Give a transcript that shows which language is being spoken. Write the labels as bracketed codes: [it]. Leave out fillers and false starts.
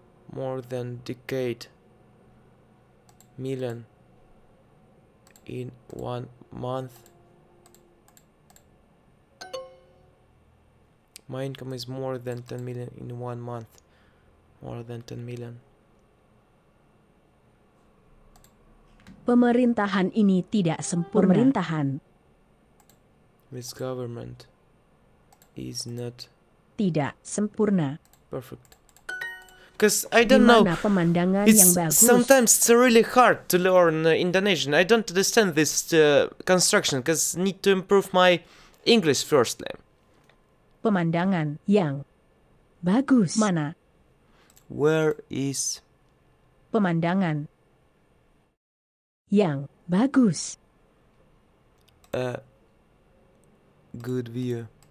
[en] More than decade. Million. In one month. My income is more than 10 million in one month. More than 10 million. [id] Pemerintahan ini tidak sempurna. Pemerintahan. [en] This government is not. [id] Tidak sempurna. [en] Perfect. Because I don't know. [id] Pemandangan [en] it's [id] yang bagus. [en] Sometimes it's really hard to learn Indonesian. I don't understand this construction because I need to improve my English firstly. [id] Pemandangan yang bagus. Mana? [en] Where is. [id] Pemandangan yang bagus. [en] Good view.